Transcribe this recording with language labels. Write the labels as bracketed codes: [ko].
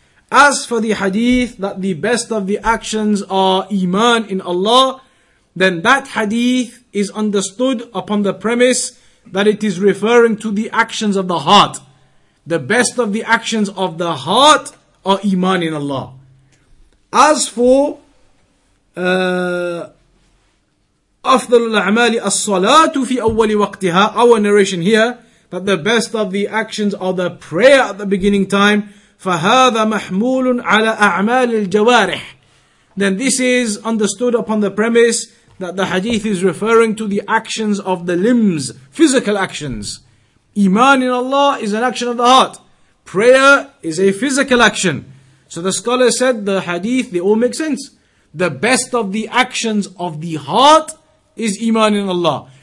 [en] As for the hadith that the best of the actions are iman in Allah, then that hadith is understood upon the premise that it is referring to the actions of the heart. The best of the actions of the heart are iman in Allah. As for [ar] أفضل الأعمال الصلاة في أول وقتها, [en] our narration here, that the best of the actions are the prayer at the beginning time, [ar] فهذا محمول على أعمال الجوارح. [en] Then this is understood upon the premise that the hadith is referring to the actions of the limbs, physical actions. Iman in Allah is an action of the heart. Prayer is a physical action. So the scholar said the hadith, they all make sense. The best of the actions of the heart is iman in Allah.